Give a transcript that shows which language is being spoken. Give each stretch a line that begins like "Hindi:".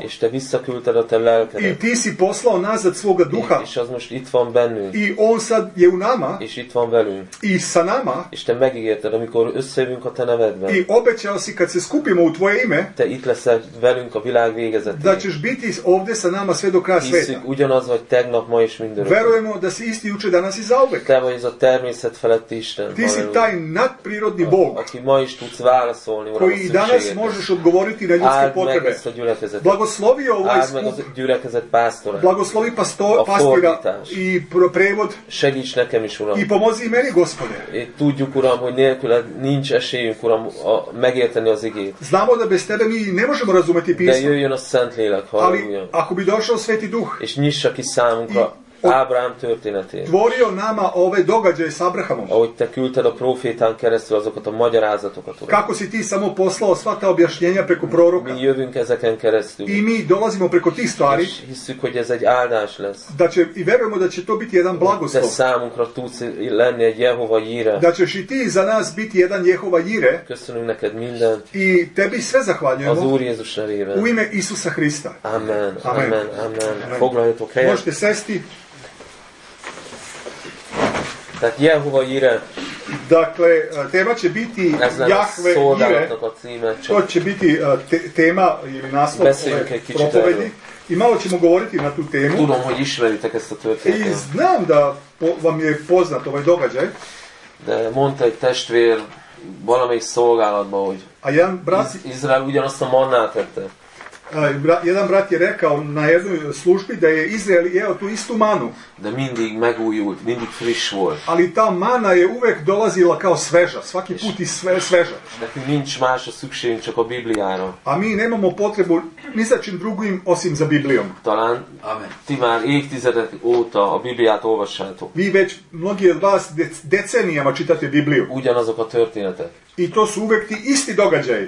Hungarian: És te visszaküldted a te lelkedet.
Serbian: I ti si poslao nazad svoga duha.
Hungarian: És az most itt van bennünk.
Serbian: I on sad je u nama.
Hungarian: És itt van velünk.
Serbian: I sa nama.
Hungarian: És te megígérted, amikor összejövünk a te nevedben.
Serbian: I obećao si kad se skupimo u tvoje ime.
Hungarian: Te itt leszel velünk a világ végezetén.
Serbian: Da ćeš biti ovde sa nama sve do kraja sveta.
Hungarian: Hiszünk ugyanaz vagy tegnap, ma és mindörökké.
Serbian: Verujemo da si isti juče, danas i zauvek.
Hungarian: Te vagy az a természet feletti Isten.
Serbian: Ti si taj nadprirodni Bog.
Hungarian: Aki ma is tudsz válaszolni.
Serbian: Koji i danas možeš odgovoriti na ljudske potrebe.
Hungarian: Ezt a gyülekezetet.
Serbian: Blagoslovi ovaj skup.
Hungarian: Meg az a gyülekezet pásztora.
Serbian: Blagoslovi pastira i prevod.
Hungarian: Segíts nekem is, Uram.
Serbian: I pomozi i meni, Gospode.
Hungarian: I tudjuk, Uram, hogy nélküled nincs esélyünk, Uram, megérteni az igét.
Serbian: Znamo da bez tebe mi ne možemo razumeti pismo.
Hungarian: De jöjjön a Szent Lélek,
Serbian: halleluja. Ali ako bi došao Sveti Duh.
Hungarian: És nyissa ki számunkra Ábrahám történetét.
Serbian: Tvorio nama ove događaje s Abrahamom.
Hungarian: Ahogy te küldted a profétán keresztül azokat a magyarázatokat. Uram.
Serbian: Kako si ti samo poslao sva ta objašnjenja preko proroka.
Hungarian: Mi jövünk ezeken keresztül.
Serbian: I mi dolazimo preko tih stvari.
Hungarian: És hiszük, hogy ez egy áldás lesz.
Serbian: Da će, i verujemo da će to biti jedan blagoslov.
Hungarian: Te számunkra tudsz lenni egy Jehova Jire.
Serbian: Da ćeš i ti za nas biti jedan Jehova Jire.
Hungarian: Köszönünk neked minden.
Serbian: I tebi sve zahvaljujemo.
Hungarian: Az Úr Jézus nevében.
Serbian: U ime Isusa Hrista.
Hungarian: Amen. Amen. Amen. Amen. Amen. Foglaljatok helyet.
Serbian: Možete sesti.
Hungarian: Tehát Jehova Jire.
Serbian: Dakle, tema će biti Jahve Jire. To će biti tema ili naslov propovedi. I malo ćemo govoriti na tu temu.
Hungarian: Tudom, hogy ismeritek ezt a történetet.
Serbian: I znam da vam je poznat ovaj događaj.
Hungarian: De mondta egy testvér valamelyik szolgálatban, hogy
Serbian: a jedan brat
Hungarian: Izrael ugyanazt a mannát tette.
Serbian: Jedan brat je rekao na jednoj službi da je Izrael jeo tu istu manu.
Hungarian: Da mindig megújult, mindig friss volt.
Serbian: Ali ta mana je uvek dolazila kao sveža, svaki put i sveža.
Hungarian: Dakle, nincs más a szükségünk, csak a Bibliára.
Serbian: A mi nemamo potrebu ni za čim drugim osim za Biblijom.
Hungarian: Talán Amen. Ti már évtizedek óta a Bibliát olvassátok.
Serbian: Vi već mnogi od vas decenijama čitate Bibliju.
Hungarian: Ugyanazok a történetek.
Serbian: I to su uvek ti isti događaji.